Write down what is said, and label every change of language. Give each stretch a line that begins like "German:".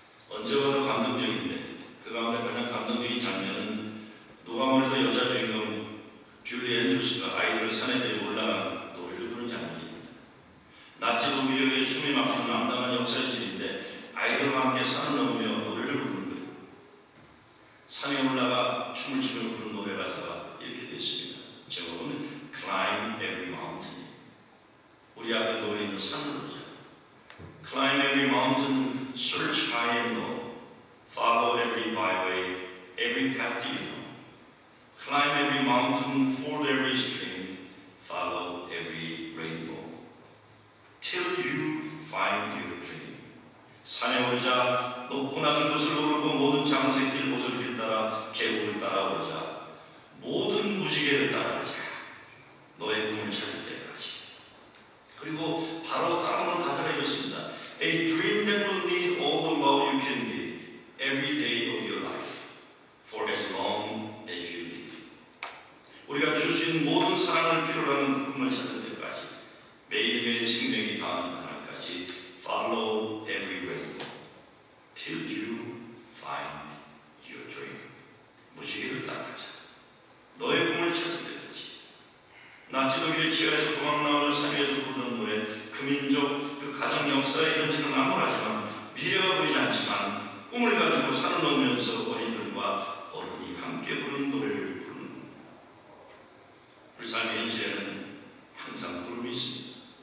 Korean: 언제 봐도 감동적인데 그 가운데 가장 감동적인 장면은 누가 뭐래도 여자 주인공 줄리 앤드루스가 아이들을 산에 데리고 올라가는 노래를 부르는 장면입니다. 낮지도 미력에 숨이 막힌 남다른 역사의 질인데 아이들과 함께 산을 넘으며 노래를 부르는 거예요. 산에 올라가 춤을 추며 부르는 노래 가사가 이렇게 되어있습니다. 제목은 Climb Every Mountain. 우리 앞에 놓여 있는 산을 보자.
English: Climb Every Mountain, Search High and Low. Follow every byway, every path you know. Climb every mountain, ford every stream, follow every rainbow. Till you find your dream.
Korean: 산에 오르자, 높고 낮은 곳을 오르고 모든 장세길, 보슬길 따라 계곡을 따라오르자. 모든 무지개를 따라가자. 너의 꿈을 찾을 때까지. 그리고 바로 다음으로 가사가 이렇습니다.
English: A dream that will need all the love you can give. Every day of your life, for as long as you live.
Korean: 우리가 줄 수 있는 모든 사랑을 필요로 하는 그 꿈을 찾을 때까지, 매일매일 생명이 가는 날까지,
English: follow every rainbow, till you find your dream.
Korean: 무지개를 따라가자. 너의 꿈을 찾을 때까지. 나치독일의 지하에서 도망 나오는 사회에서 부르는 노래, 그 민족, 그 가정 역사의 현재는 암울하지만, 미래가 보이지 않지만, 꿈을 가지고 산을 넘으면서 어린들과 어른이 함께 부르는 노래를 부르는 우리 삶의 현실에는 항상 구름이 있습니다.